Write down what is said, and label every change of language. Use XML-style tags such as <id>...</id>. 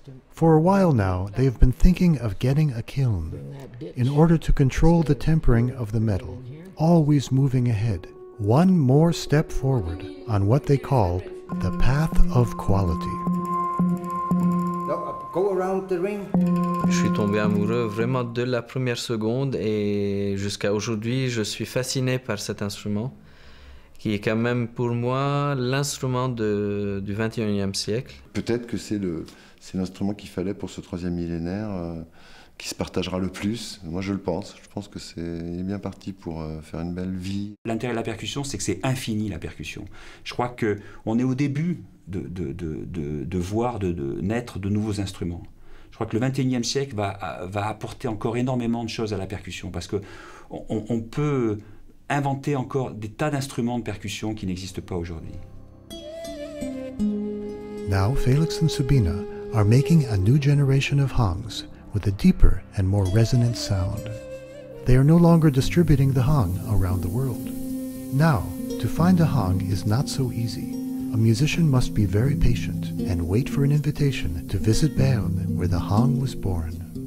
<en>For a while now, they have been thinking of getting a kiln in order to control the tempering of the metal, always moving ahead, one more step forward on what they call the path of quality. Go around the ring.</en> <fr>Je suis tombé amoureux vraiment de la première seconde et jusqu'à aujourd'hui, je suis fasciné par cet instrument qui est quand même pour moi l'instrument du 21e siècle. Peut-être que c'est l'instrument qu'il fallait pour ce troisième millénaire qui se partagera le plus. Moi, je le pense. Je pense que c'est bien parti pour faire une belle vie. L'intérêt de la percussion, c'est que c'est infini, la percussion. Je crois qu'on est au début de voir naître de nouveaux instruments. Je crois que le 21e siècle va apporter encore énormément de choses à la percussion parce qu'on peut inventer encore des tas d'instruments de percussion qui n'existent pas aujourd'hui.</fr> <en>Now, Felix and Sabina are making a new generation of hangs with a deeper and more resonant sound. They are no longer distributing the hang around the world. Now, to find a hang is not so easy. A musician must be very patient and wait for an invitation to visit Bern, where the hang was born.</en>